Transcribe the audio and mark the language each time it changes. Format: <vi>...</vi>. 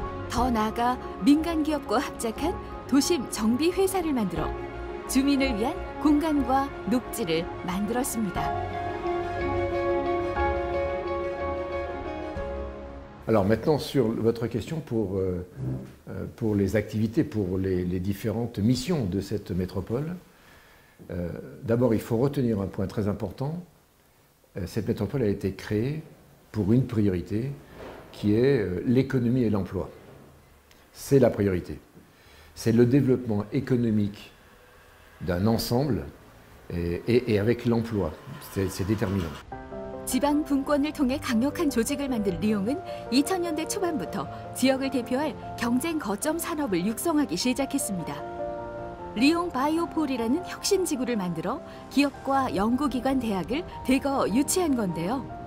<ko>더 나아가 민간기업과 합작한 도심 정비회사를 만들어 주민을 위한 공간과 녹지를 만들었습니다.</ko> <fr>Alors maintenant sur votre question pour les activités, pour les différentes missions de cette métropole. D'abord, il faut retenir un point très important. Cette métropole a été créée pour une priorité qui est l'économie et l'emploi. C'est la priorité. C'est le développement économique d'un ensemble et avec l'emploi. C'est déterminant.</fr> <ko>지방 분권을 통해 강력한 조직을 만든 리옹은 2000년대 초반부터 지역을 대표할 경쟁 거점 산업을 육성하기 시작했습니다. 리옹 바이오폴이라는 혁신지구를 만들어 기업과 연구기관 대학을 대거 유치한 건데요.</ko>